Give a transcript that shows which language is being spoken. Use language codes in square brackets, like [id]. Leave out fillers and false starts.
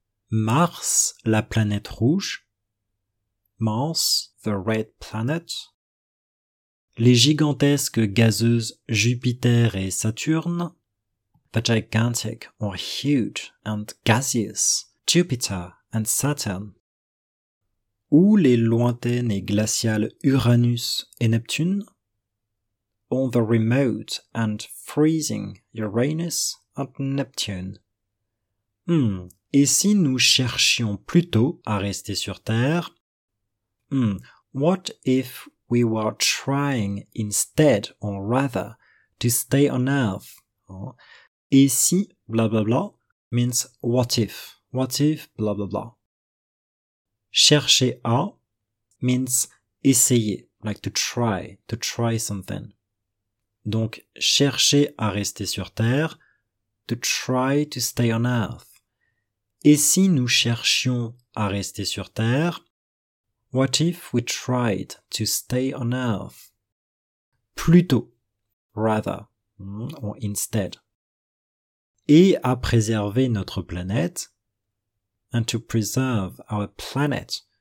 [fr] Mars, la planète rouge. [en] Mars, the red planet. [fr] Les gigantesques gazeuses Jupiter et Saturne. [en] The gigantic or huge and gaseous Jupiter and Saturn. [fr] Ou les lointaines et glaciales Uranus et Neptune. [en] On the remote and freezing Uranus and Neptune. [fr] Et si nous cherchions plutôt à rester sur Terre? [en] What if we were trying instead or rather to stay on Earth? [fr] Et si [en] blah blah blah means what if? What if blah blah blah? [fr] Chercher à [en] means essayer, like to try something. [fr] Donc, chercher à rester sur Terre, [en] to try to stay on Earth. [fr] Et si nous cherchions à rester sur Terre? [en] What if we tried to stay on Earth? [fr] Plutôt, [en] rather, or instead. [fr] Et à préserver notre planète? [en] And to preserve our planet.